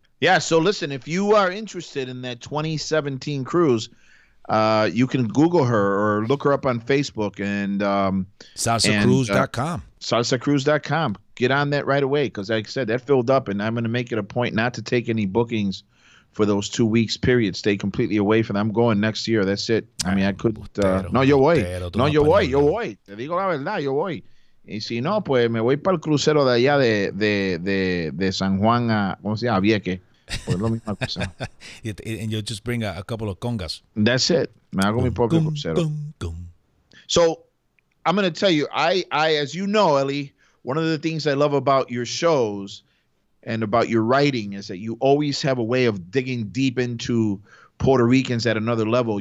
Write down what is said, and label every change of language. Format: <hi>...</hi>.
<en>Yeah, so listen, if you are interested in that 2017 cruise, you can Google her or look her up on Facebook. And SalsaCruise.com. SalsaCruise.com. Get on that right away, because like I said, that filled up, and I'm going to make it a point not to take any bookings for those 2 weeks period. Stay completely away from them. I'm going next year. That's it. I mean, I could.</en> <es>No, yo voy. Te digo la verdad, yo voy. Y si no, pues me voy para el crucero de allá de San Juan a, ¿cómo se llama? A Vieque. Pues lo mismo que sea.</es> <en>And you'll just bring a couple of congas. That's it.</en> <es>Me hago mi propio crucero. Boom, boom.</es> <en>So I'm going to tell you, I, as you know, Eli, one of the things I love about your shows and about your writing is that you always have a way of digging deep into Puerto Ricans at another level.</en>